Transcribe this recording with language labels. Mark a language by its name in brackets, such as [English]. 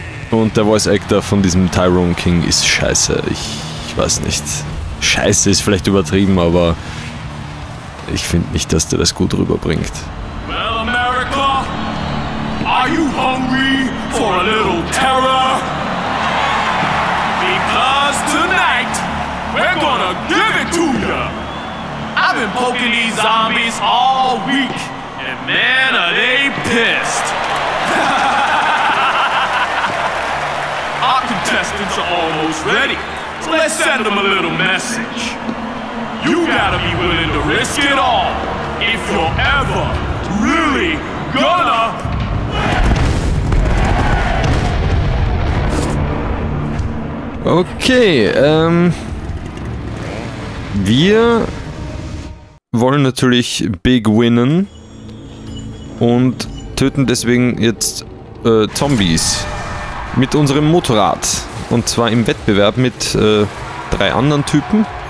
[German] Und der Voice Actor von diesem Tyrone King ist scheiße. Ich weiß nicht. Scheiße ist vielleicht übertrieben, aber ich finde nicht, dass der das gut rüberbringt. [English] Well, America, are you hungry for a little terror? Because tonight, we're gonna give it to you. I've been poking these zombies all week, and man, are they pissed. Contestants are almost ready, so let's send them a little message. You gotta be willing to risk it all if you're ever really gonna. [German] Okay, wir wollen natürlich big winnen und töten deswegen jetzt Zombies. Mit unserem Motorrad. Und zwar im Wettbewerb mit drei anderen Typen.